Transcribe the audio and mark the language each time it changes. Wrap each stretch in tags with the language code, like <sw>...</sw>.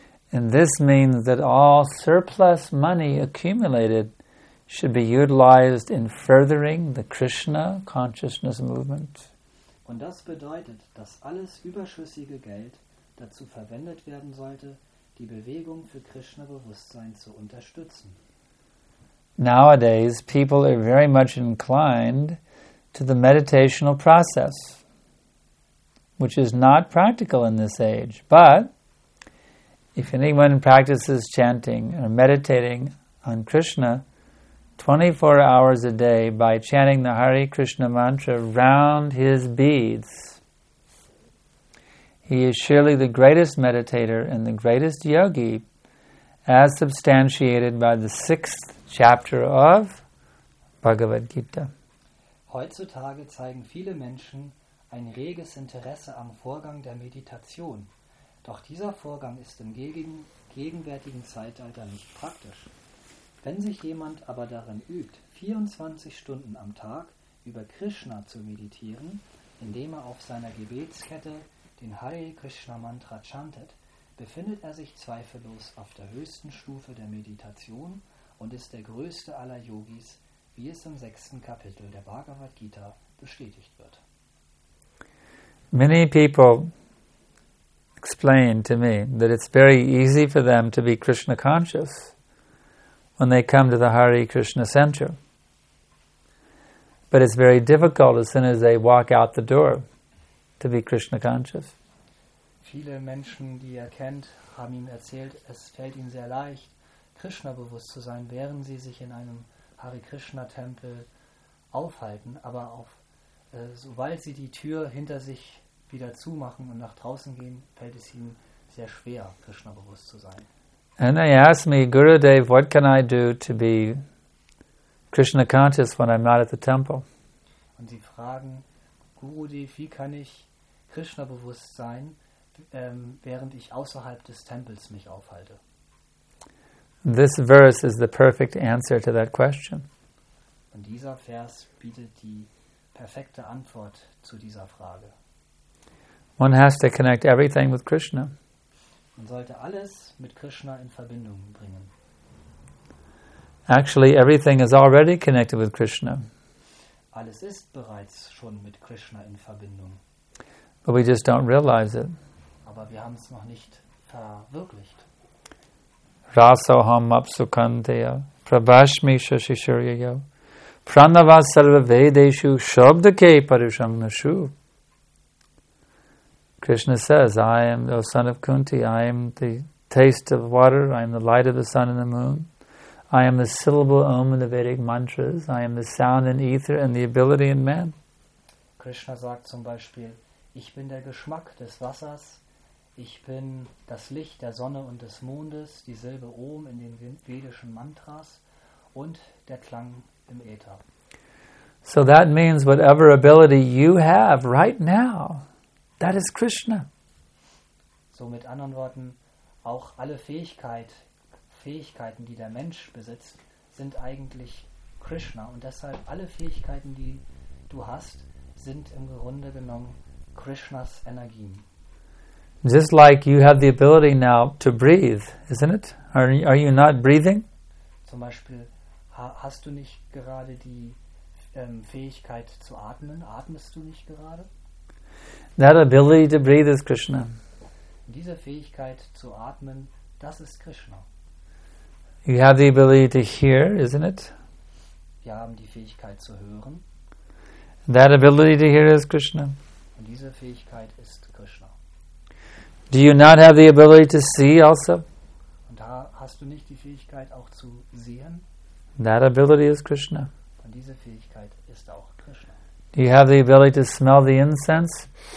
<en>And this means that all surplus money accumulated should be utilized in furthering the Krishna consciousness movement.</en> <de>Und das bedeutet, dass alles überschüssige Geld dazu verwendet werden sollte, die Bewegung für Krishna-Bewusstsein zu unterstützen.</de> <en>Nowadays, people are very much inclined to the meditational process, which is not practical in this age. But if anyone practices chanting or meditating on Krishna 24 hours a day by chanting the Hare Krishna mantra round his beads, he is surely the greatest meditator and the greatest yogi, as substantiated by the sixth chapter of Bhagavad Gita.</en> <de>Heutzutage zeigen viele Menschen ein reges Interesse am Vorgang der Meditation. Doch dieser Vorgang ist im gegenwärtigen Zeitalter nicht praktisch. Wenn sich jemand aber darin übt, 24 Stunden am Tag über Krishna zu meditieren, indem er auf seiner Gebetskette den Hare Krishna Mantra chantet, befindet er sich zweifellos auf der höchsten Stufe der Meditation und ist der größte aller Yogis, wie es im sechsten Kapitel der Bhagavad Gita bestätigt wird.</de> <en>Many people explain to me that it's very easy for them to be Krishna conscious when they come to the Hare Krishna Center. But it's very difficult as soon as they walk out the door to be Krishna conscious.</en> <de>Viele Menschen, die er kennt, haben ihm erzählt, es fällt ihm sehr leicht, Krishna bewusst zu sein, während sie sich in einem Hare Krishna Tempel aufhalten, aber auf sobald sie die Tür hinter sich wieder zumachen und nach draußen gehen, fällt es ihnen sehr schwer, Krishna bewusst zu sein.</de> <en>And they ask me, Gurudev, what can I do to be Krishna conscious when I'm not at the temple?</en> <de>Und sie fragen, Gurudev, wie kann ich Krishna bewusst sein, während ich außerhalb des Tempels mich aufhalte?</de> <en>This verse is the perfect answer to that question.</en> <de>Und dieser Vers bietet die perfekte Antwort zu dieser Frage.</de> <en>One has to connect everything with Krishna.</en> <de>Man sollte alles mit Krishna in Verbindung bringen.</de> <en>Actually, everything is already connected with Krishna.</en> <de>Alles ist bereits schon mit Krishna in Verbindung.</de> <en>But we just don't realize it.</en> <de>Aber wir haben es noch nicht verwirklicht.</de> <sa>Rasoham apsukandeya prabhashmi shashishuryaya pranava sarva vedeshu shabdake parushang nashu.</sa> <en>Krishna says, I am the son of Kunti, I am the taste of water, I am the light of the sun and the moon, I am the syllable om in the Vedic mantras, I am the sound in ether and the ability in man.</en> <de>Krishna sagt zum Beispiel, ich bin der Geschmack des Wassers, ich bin das Licht der Sonne und des Mondes, die Silbe Om in den vedischen Mantras und der Klang im Äther.</de> <en>So that means whatever ability you have right now, that is Krishna.</en> <de>So mit anderen Worten, auch alle Fähigkeiten, die der Mensch besitzt, sind eigentlich Krishna. Und deshalb alle Fähigkeiten, die du hast, sind im Grunde genommen Krishnas Energien.</de> <en>Just like you have the ability now to breathe, isn't it? Are you not breathing?</en> <de>Zum Beispiel, hast du nicht gerade die Fähigkeit zu atmen? Atmest du nicht gerade?</de> <en>That ability to breathe is Krishna.</en> <de>Diese Fähigkeit zu atmen, das ist Krishna.</de> <en>You have the ability to hear, isn't it?</en> <de>Wir haben die Fähigkeit zu hören.</de> <en>That ability to hear is Krishna.</en> <de>Und diese Fähigkeit ist Krishna.</de> <en>Do you not have the ability to see also?</en> <de>Und hast du nicht die Fähigkeit auch zu sehen?</de> <en>That ability is Krishna.</en> <de>Und diese Fähigkeit ist auch Krishna.</de> <en>Do you have the ability to smell the incense?</en>